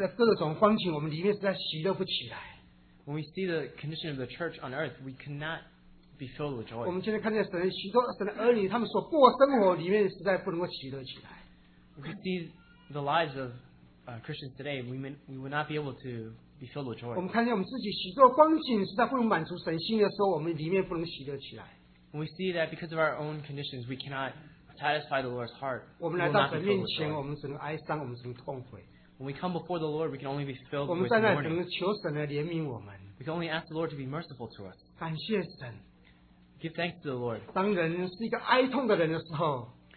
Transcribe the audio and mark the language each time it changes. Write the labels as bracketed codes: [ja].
[zh] 我们今天看见地上教会的各种光景，我们里面实在喜乐不起来。 [en] When we see the condition of the church on earth, we cannot be filled with joy. [zh] 我们今天看见神许多神的儿女，他们所过生活里面实在不能够喜乐起来。 [en] We can see the lives of Christians today. We would not be able to be filled with joy. [zh] 我们看见我们自己许多光景实在不能满足神心的时候，我们里面不能喜乐起来。 [en] When we see that because of our own conditions, we cannot satisfy the Lord's heart. When we come before the Lord, we can only be filled with mourning. We can only ask the Lord to be merciful to us. Give thanks to the Lord.